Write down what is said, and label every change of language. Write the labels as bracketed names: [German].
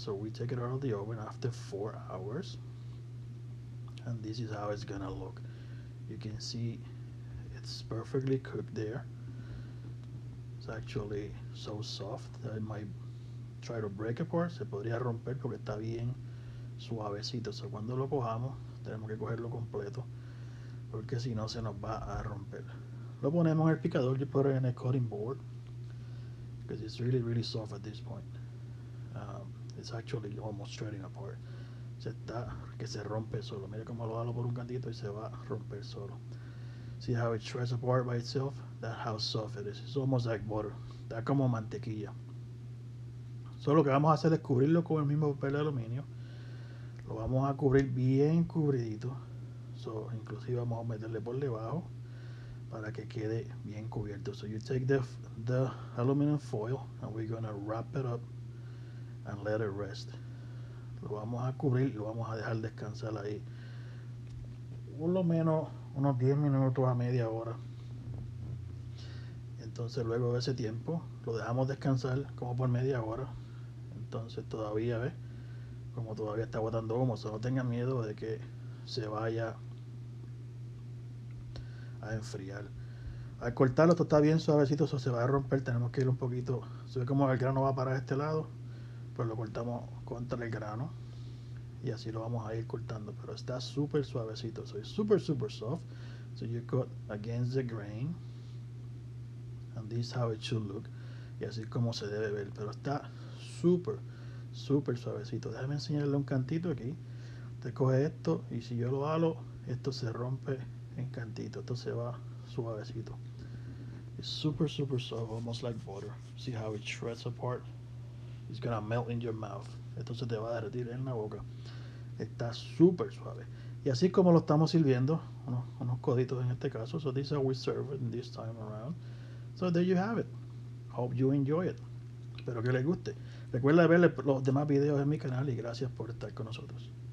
[English] So we take it out of the oven after 4 hours. And this is how it's gonna look. You can see it's perfectly cooked there. It's actually so soft that it might try to break apart. [Spanish] Se podría romper porque está bien suavecito. So cuando lo cojamos, tenemos que cogerlo completo, porque si no se nos va a romper. Lo ponemos en el picador, [English] you put it in a cutting board, because it's really, really soft at this point. It's actually almost shredding apart. [Spanish] Se está, que se rompe solo. Mira como lo hago por un cantito y se va a romper solo. [English] See how it shreds apart by itself? That's how soft it is. It's almost like butter. [Spanish] Está como mantequilla. So lo que vamos a hacer es cubrirlo con el mismo papel de aluminio. Lo vamos a cubrir bien cubridito. So inclusive vamos a meterle por debajo para que quede bien cubierto. [English] So you take the aluminum foil, and we're gonna wrap it up and let it rest. [Spanish] Lo vamos a cubrir y lo vamos a dejar descansar ahí por lo menos unos 10 minutos a media hora. Entonces luego de ese tiempo lo dejamos descansar como por media hora. Entonces todavía, ¿ves? Como todavía está botando humo, o sea, no tengan miedo de que se vaya a enfriar. Al cortarlo, esto está bien suavecito, eso se va a romper. Tenemos que ir un poquito, se ve como el grano va para este lado, pues lo cortamos contra el grano y así lo vamos a ir cortando. Pero está súper suavecito, [English] so it's super super soft. So you cut against the grain, and this is how it should look. [Spanish] Y así es como se debe ver, pero está súper súper suavecito. Déjame enseñarle un cantito aquí. Usted coge esto y si yo lo halo, esto se rompe en cantito. Esto se va suavecito. [English] It's super super soft, almost like butter. See how it shreds apart? It's gonna melt in your mouth. [Spanish] Esto se te va a derretir en la boca. Está súper suave. Y así como lo estamos sirviendo, unos coditos en este caso. [English] So this is how we serve it this time around. So there you have it. Hope you enjoy it. [Spanish] Espero que les guste. Recuerda ver los demás videos en mi canal y gracias por estar con nosotros.